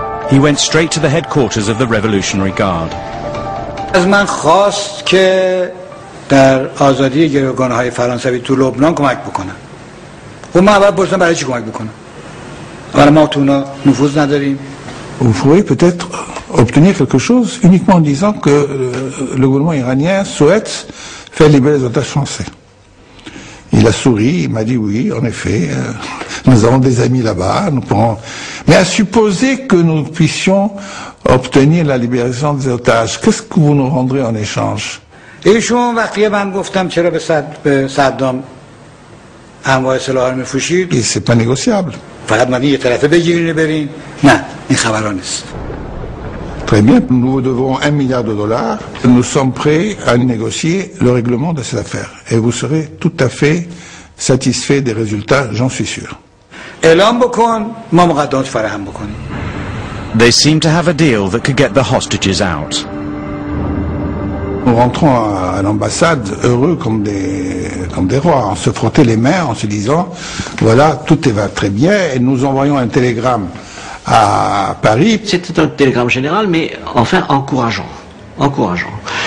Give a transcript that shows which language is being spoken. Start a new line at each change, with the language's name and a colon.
English: He went straight to the headquarters of the Revolutionary Guard.
Persian: از من خواست که در آزادی گروگان‌های فرانسوی تو لبنان کمک بکنم. و ما باید برسن برای چی کمک بکنم؟ حالا ما تو اونا نفوذ نداریم.
French: Vous pourriez peut-être obtenir quelque chose uniquement en disant que le gouvernement iranien souhaite faire libérer les otages français. Il a souri, il m'a dit oui, en effet, nous avons des amis là-bas, nous pourrons... Mais à supposer que nous puissions obtenir la libération des otages, qu'est-ce que vous nous rendrez en échange ? Et je vous ai dit pourquoi je vous ai dit que Saddam a envoyé ce l'armée de Fouchi. Et c'est pas négociable.
Persian: فقط من یه طرفه بگیرین ببرین نه این خبرا نیست
French: Très bien, nous vous devons 1 milliard de dollars. Nous sommes prêts à négocier le règlement de cette affaire. Et vous serez tout à fait satisfait des résultats, j'en suis sûr.
Persian: اعلام بکن ما مقدمات فراهم بکنیم.
English: They seem to have a deal that could get the hostages out.
French: Nous rentrons à l'ambassade heureux comme des rois, en se frottant les mains, en se disant voilà, tout va très bien, et nous envoyons un télégramme à Paris. C'était un télégramme général, mais enfin encourageant. Encourageant.